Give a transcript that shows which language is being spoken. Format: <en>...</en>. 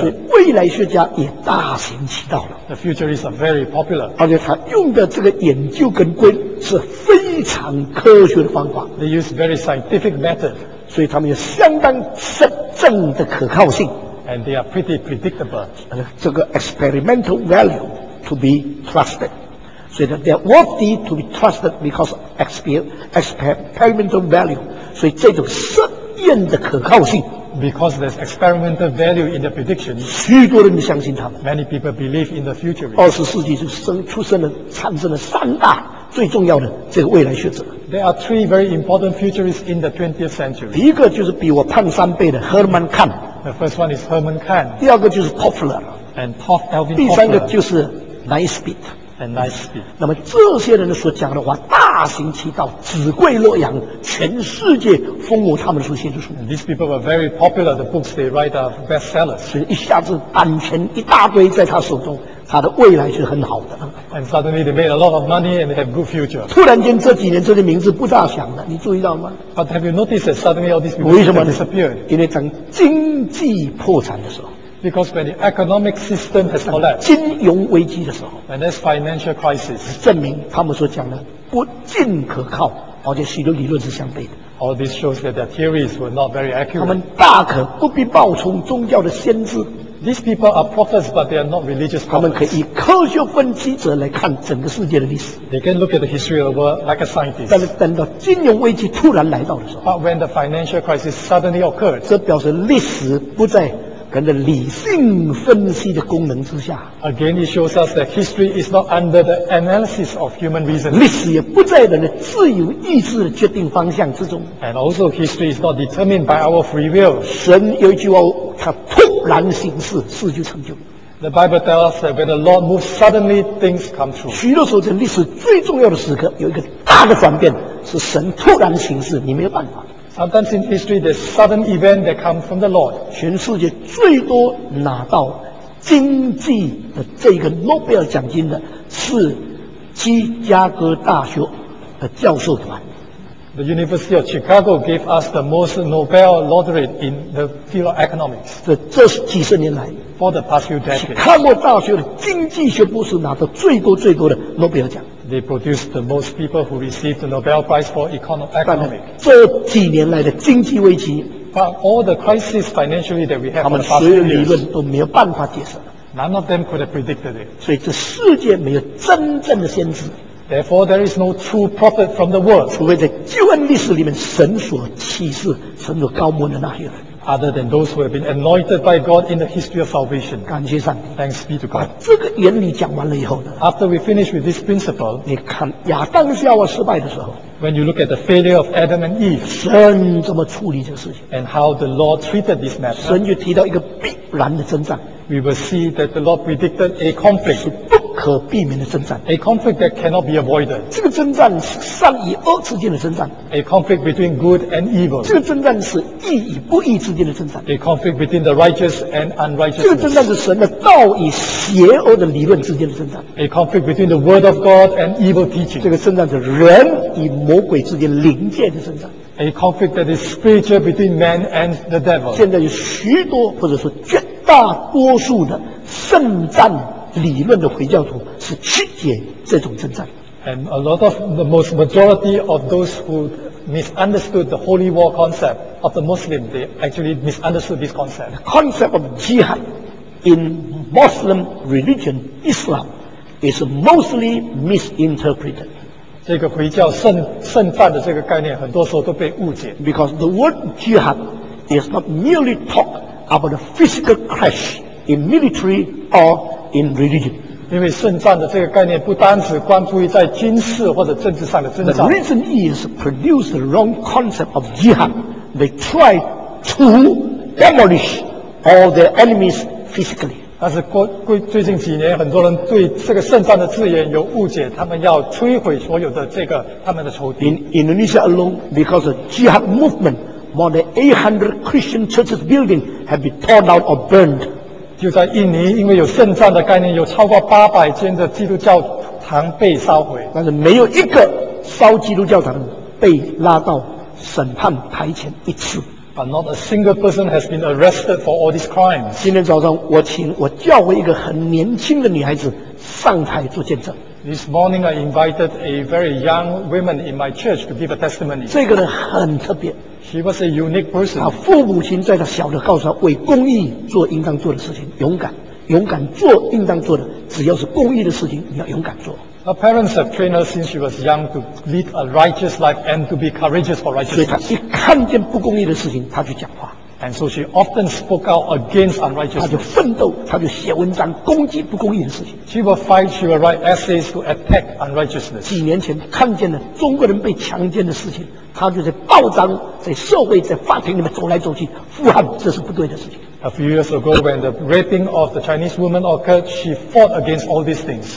<zh>所以未来学家也大行其道了。</zh> <en>The futurists are very popular.</en> <zh>而且他用的这个研究跟规律是非常科学的方法。</zh> <en>They use very scientific methods.</en> <zh>所以他们有相当正的可靠性。</zh> <en>And they are pretty predictable. 这个 experimental value to be trusted. 所以 they are worthy to be trusted because experimental value.</en> <zh>所以这种实验的可靠性。</zh> <en>Because there's experimental value in the prediction.</en> <zh>许多人相信他们。</zh> <en>Many people believe in the future.</en> <zh>二十世纪就产生了三大最重要的这个未来学者。</zh> <en>There are three very important futurists in the 20th century.</en> <zh>第一个就是比我胖三倍的 Herman Kahn.</zh> <en>The first one is Herman Kahn.</en> <zh>第二个就是 Toffler.</zh> <en>And Toff, Alvin Toffler.</en> <zh>第三个就是 Nisbet.</zh> <en>And Nisbet.</en> <zh>那么这些人所讲的话大行其道，纸贵洛阳，全世界封我他们所写的书。</zh> <en>And these people were very popular. The books they write are bestsellers.</en> <zh>所以一下子版权一大堆在他手中。他的未来是很好的。</zh> <en>And suddenly they made a lot of money and have good future.</en> <zh>突然间这几年这些名字不大响了，你注意到吗？</zh> <en>But have you noticed that suddenly all these people have disappeared?</en> <zh>因为当经济破产的时候。</zh> <en>Because when the economic system has collapsed,</en> <zh>金融危机的时候</zh> <en>，and there's financial crisis,</en> <zh>证明他们所讲的不尽可靠，而且许多理论是相悖的。</zh> <en>All this shows that their theories were not very accurate.</en> <zh>他们大可不必冒充宗教的先知。</zh> <en>These people are prophets, but they are not religious prophets.</en> <zh>他们可以科学分析者来看整个世界的历史。</zh> <en>They can look at the history of the world like a scientist.</en> <zh>但是等到金融危机突然来到的时候</zh> <en>，but when the financial crisis suddenly occurred,</en> <zh>这表示历史不再。跟着理性分析的功能之下</zh> <en>，Again, it shows us that history is not under the analysis of human reason.</en> <zh>历史也不在人的自由意志的决定方向之中。</zh> <en>And also, history is not determined by our free will.</en> <zh>神有一句话，他突然行事，事就成就。</zh> <en>The Bible tells us that when the Lord moves, suddenly things come true.</en> <zh>许多时候，在历史最重要的时刻，有一个大的转变，是神突然行事，你没有办法。</zh> <en>Sometimes in history, there's sudden event that comes from the Lord.</en> <zh>全世界最多拿到经济的这个诺贝尔奖金的是芝加哥大学的教授团。</zh> <en>The University of Chicago gave us the most Nobel laureate in the field of economics.</en> <zh>这几十年来</zh> <en>，for the past few decades,</en> <zh>芝加哥大学的经济学博士拿到最多最多的诺贝尔奖。</zh> <en>They produce the most people who receive the Nobel Prize for economics.</en> <zh>这几年来的经济危机</zh> <en>，but all the crises financially that we have for the past years,</en> <zh>他们所有理论都没有办法解释。</zh> <en>None of them could have predicted it.</en> <zh>所以这世界没有真正的先知。</zh> <en>Therefore, there is no true prophet from the world.</en> <zh>除非在救恩历史里面神所启示、神所高牧的那些人。</zh> <en>Other than those who have been anointed by God in the history of salvation.</en> <zh>感谢上帝。</zh> <en>Thanks be to God.</en> <zh>这个原理讲完了以后呢</zh> <en>？After we finish with this principle,</en> <zh>你看亚当夏娃失败的时候</zh> <en>，When you look at the failure of Adam and Eve,</en> <zh>神怎么处理这个事情</zh> <en>？And how the Lord treated this matter?</en> <zh>神就提到一个必然的征战。</zh> <en>We will see that the Lord predicted a conflict.</en> <zh>是不可避免的征战。</zh> <en>A conflict that cannot be avoided.</en> <zh>这个征战是善与恶之间的征战。</zh> <en>A conflict between good and evil.</en> <zh>这个征战是义与不义之间的征战。</zh> <en>A conflict between the righteous and unrighteous.</en> <zh>这个征战是神的道与邪恶的理论之间的征战。</zh> <en>A conflict between the word of God and evil teaching.</en> <zh>这个征战是人与魔鬼之间灵界的征战。</zh> <en>A conflict that is spiritual between man and the devil.</en> <zh>现在有许多或者说绝大多数的圣战理论的回教徒是曲解这种征战。</zh> <en>And a lot of the most majority of those who misunderstood the holy war concept of the Muslim, they actually misunderstood this concept. The concept of jihad in Muslim religion, Islam, is mostly misinterpreted.</en> <zh>这个回教圣战的这个概念很多时候都被误解。</zh> <en>Because the word jihad is not merely talk. About a physical clash in military or in religion.</en> <zh>因为圣战的这个概念不单只关乎于在军事或者政治上的征战。</zh> <en>The reason is produce the wrong concept of jihad. They try to demolish all their enemies physically.</en> <zh>但是最近几年很多人对这个圣战的字眼有误解，他们要摧毁所有的这个他们的仇敌。</zh> <en>In Indonesia alone, because of jihad movement,More than 800 Christian churches building have been torn down or burned.</en> <zh>就在印尼，因为有圣战的概念，有超过800间的基督教堂被烧毁。但是没有一个烧基督教堂被拉到审判台前一次。</zh> <en>But not a single person has been arrested for all these crimes.</en> <zh>今天早上，我请我教会一个很年轻的女孩子上台做见证。</zh> <en>This morning, I invited a very young woman in my church to give a testimony.</en> <zh>这个人很特别。</zh> <en>She was a unique person.</en> <zh>她父母亲在她小的告诉她，为公益做应当做的事情，勇敢，勇敢做应当做的，只要是公益的事情，你要勇敢做。</zh> <en>Her parents have trained her since she was young to lead a righteous life and to be courageous for righteousness.</en> <zh>所以她一看见不公益的事情，她就讲话。</zh> <en>And so she often spoke out against unrighteousness.</en> <zh>她就奋斗，她就写文章攻击不公义的事情。</zh> <en>She will fight, she will write essays to attack unrighteousness.</en> <zh>几年前看见了中国人被强奸的事情，她就在报章、在社会、在法庭里面走来走去，呼喊这是不对的事情。</zh> <en>A few years ago, when the raping of the Chinese woman occurred, she fought against all these things.</en>